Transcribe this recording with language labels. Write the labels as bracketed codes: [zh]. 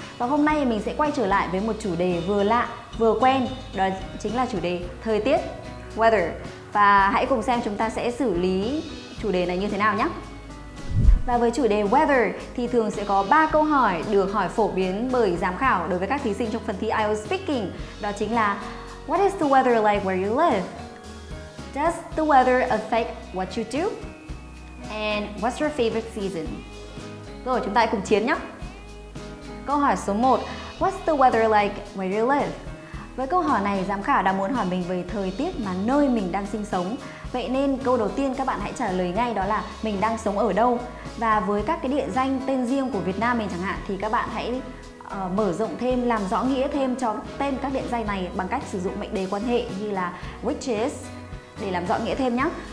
[vi] Và hôm nay mình sẽ quay trở lại với một chủ đề vừa lạ, vừa quen, đó chính là chủ đề thời tiết, weather. Và hãy cùng xem chúng ta sẽ xử lý chủ đề này như thế nào nhé. Và với chủ đề weather thì thường sẽ có 3 câu hỏi được hỏi phổ biến bởi giám khảo đối với các thí sinh trong phần thi IELTS Speaking. Đó chính là: [en] What is the weather like where you live? Does the weather affect what you do? And what's your favorite season? [vi] Rồi, chúng ta hãy cùng chiến nhé. Câu hỏi số 1: [en] What's the weather like where you live? [vi] Với câu hỏi này, giám khảo đang muốn hỏi mình về thời tiết mà nơi mình đang sinh sống. Vậy nên câu đầu tiên các bạn hãy trả lời ngay đó là mình đang sống ở đâu. Và với các cái địa danh tên riêng của Việt Nam mình chẳng hạn, thì các bạn hãy mở rộng thêm, làm rõ nghĩa thêm cho tên các địa danh này bằng cách sử dụng mệnh đề quan hệ như là which is để làm rõ nghĩa thêm nhé.